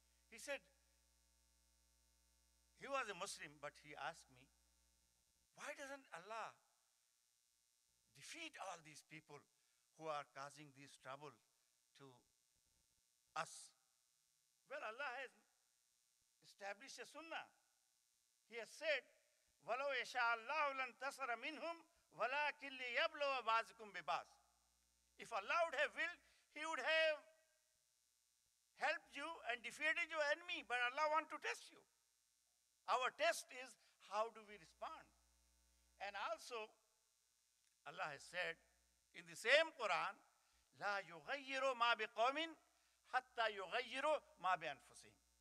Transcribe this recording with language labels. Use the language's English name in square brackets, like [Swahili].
[English] He said, he was a Muslim, but he asked me, why doesn't Allah defeat all these people who are causing this trouble to us? Well, Allah has established a sunnah. He has said, [Arabic] وَلَوْ يَشَاءَ اللَّهُ لَنْ تَصَرَ مِنْهُمْ وَلَاكِنْ لِيَبْلُوَ بَعْضَكُمْ بِبَعْضٍ. [English] If Allah would have willed, he would have helped you and defeated your enemy. But Allah wants to test you. Our test is, how do we respond? And also, Allah has said in the same Quran, [Arabic] لَا يُغَيِّرُ مَا بِقَوْمٍ حَتَّى يُغَيِّرُ مَا بِأَنفُسِهِمْ.